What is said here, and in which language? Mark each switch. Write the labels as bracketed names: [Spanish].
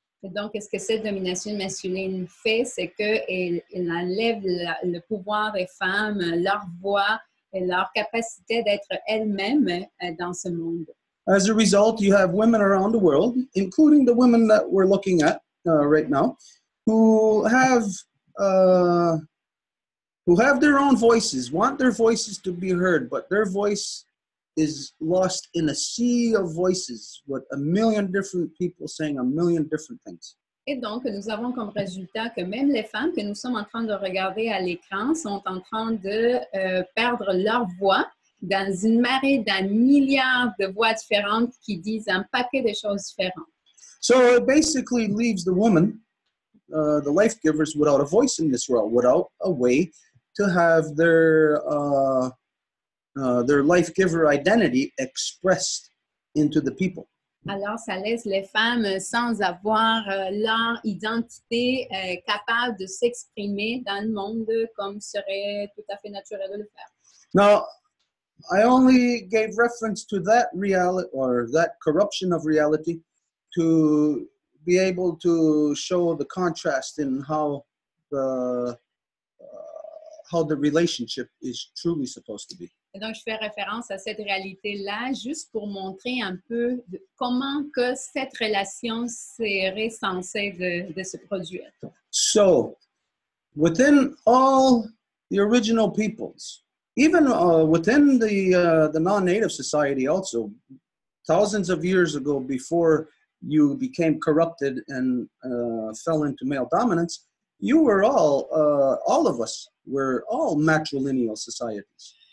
[French] Donc, ce que cette domination masculine fait, c'est qu'elle enlève le pouvoir des femmes, leur voix, et leur capacité d'être elles-mêmes dans ce monde. [English] As a result, you have women around the world, including the women that we're looking at right now, who have their own voices, want their voices to be heard, but their voice is lost in a sea of voices with a million different people saying a million different things. [French] Et donc, nous avons comme résultat que même les femmes que nous sommes en train de regarder à l'écran sont en train de perdre leur voix dans une marée d'un milliard de voix différentes qui disent un paquet de choses différentes. [English] So it basically leaves the woman, the life givers, without a voice in this world, without a way to have their life-giver identity expressed into the people. [French] Alors, ça laisse les femmes sans avoir leur identité capable de s'exprimer dans le monde comme serait tout à fait naturel de le faire. [English] Now, I only gave reference to that reality or that corruption of reality to be able to show the contrast in how the relationship is truly supposed to be. [French] Et donc, je fais référence à cette réalité-là juste pour montrer un peu comment que cette relation serait censée de se produire. [English] So, within all the original peoples, even within the non-native society also, thousands of years ago before you became corrupted and fell into male dominance, you were all of us were all matrilineal societies.